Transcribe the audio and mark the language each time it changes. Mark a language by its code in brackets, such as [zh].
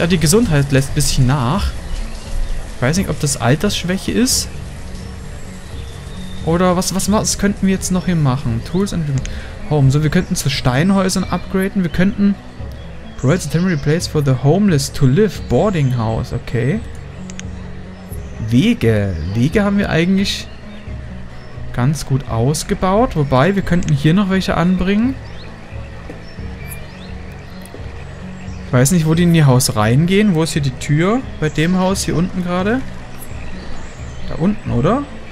[de] Ah, die Gesundheit lässt ein bisschen nach. Ich weiß nicht, ob das Altersschwäche ist. Oder was könnten wir jetzt noch hier machen? [en] Tools and Home. [de] So, wir könnten zu Steinhäusern upgraden. Wir könnten... [en] Provides a temporary place for the homeless to live. [de] Boarding house. Okay. Wege. Wege haben wir eigentlich ganz gut ausgebaut. Wobei, wir könnten hier noch welche anbringen. Ich weiß nicht, wo die in ihr Haus reingehen. Wo ist hier die Tür? Bei dem Haus hier unten gerade. Da unten, oder?